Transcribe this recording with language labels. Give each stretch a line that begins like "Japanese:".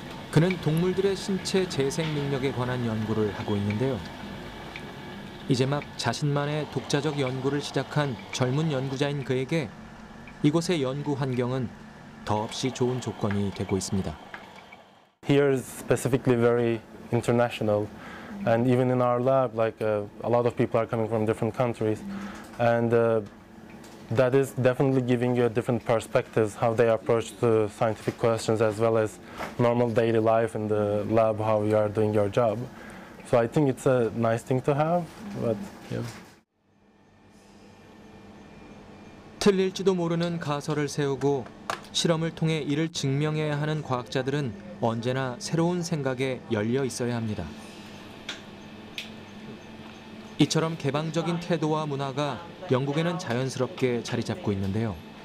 Korean: 그는 동물들의 신체 재생 능력에 관한 연구를 하고 있는데요. 이제 막 자신만의 독자적 연구를 시작한 젊은 연구자인 그에게 이곳의 연구 환경은 더없이 좋은 조건이 되고 있습니다.
English: Here is specifically very international, and even in our lab, like a lot of people are coming from different countries. And that is definitely giving you a different perspective how they approach the scientific questions as well as normal daily life in the lab, how you are doing your job. So I think it's a nice thing to have, but yeah.
Korean: 틀릴지도 모르는 가설을 세우고 실험을 통해 이를 증명해야 하는 과학자들은 언제나 새로운 생각에 열려 있어야 합니다. 이처럼 개방적인 태도와 문화가 영국에는 자연스럽게 자리 잡고 있는데요.